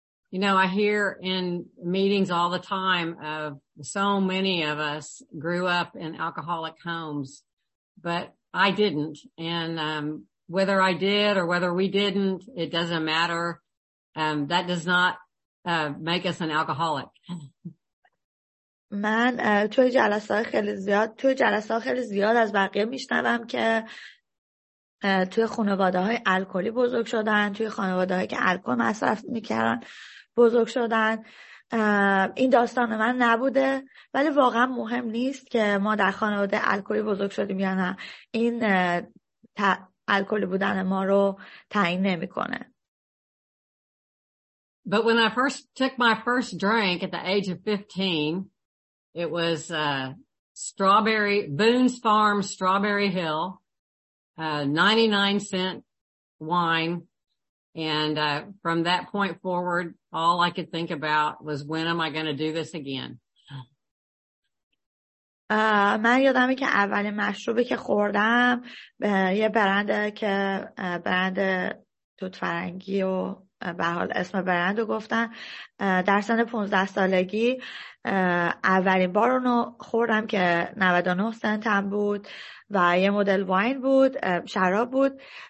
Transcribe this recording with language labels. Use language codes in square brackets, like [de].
[en] You know, I hear in meetings all the time of so many of us grew up in alcoholic homes, but I didn't. And whether I did or whether we didn't, it doesn't matter. That does not make us an alcoholic. [fa] من توی جلسات خیلی زیاد از بقیه میشنوم که توی خانواده های الکلی بزرگ شدن، توی خانواده هایی که الکل مصرف میکردن بزرگ شدن، این داستان من نبوده. ولی واقعا مهم نیست که ما در خانواده الکلی بزرگ شدیم یا نه، این الکلی بودن ما رو تعیین نمی کنه. [en] But when I first took my first drink at the age of 15, it was strawberry Boone's Farm Strawberry Hill, 99-cent wine, and from that point forward, all I could think about was when am I going to do this again. [fa] من یادمه که اولین مشروبی که خوردم یه برند که برند توت فرنگی و به حال اسم برند رو گفتن، در سن 15 سالگی اولین بار اونو خوردم که 99 سنتم بود و یه مدل واین بود، شراب بود.